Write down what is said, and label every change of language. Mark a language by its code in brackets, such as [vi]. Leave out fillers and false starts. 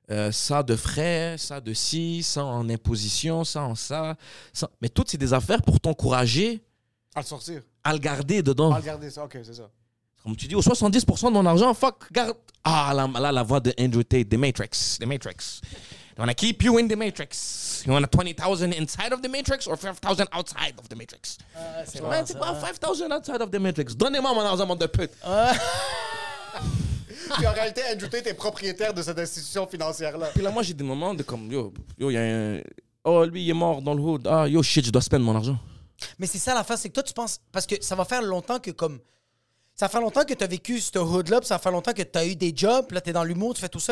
[fr] Ça de frais, ça de ci, ça en imposition, ça en ça. Ça. Mais toutes, c'est des affaires pour t'encourager à le sortir. À le garder dedans. À le garder, ça, ok, c'est ça. Comme tu dis, au 70% de mon argent, fuck, garde. Ah, la voix de Andrew Tate, The Matrix. [en] They want to keep you in The Matrix. You want 20,000 inside of The Matrix or 5,000 outside of The Matrix? [fr] C'est pas [en] 5,000 outside of The Matrix. [fr] Donnez-moi mon argent, mon de pute. Puis en réalité, Andrew Tate est propriétaire de cette institution financière-là. Puis là, moi, j'ai des moments de comme, yo, il y a un... Oh, lui, il est mort dans le hood. Ah, yo, shit, je dois spendre mon argent. Mais c'est ça la fin, c'est que toi, tu penses... Parce que ça va faire longtemps que comme... Ça fait longtemps que tu as vécu ce hood-là, puis ça fait longtemps que tu as eu des jobs, là, tu es dans l'humour, tu fais tout ça.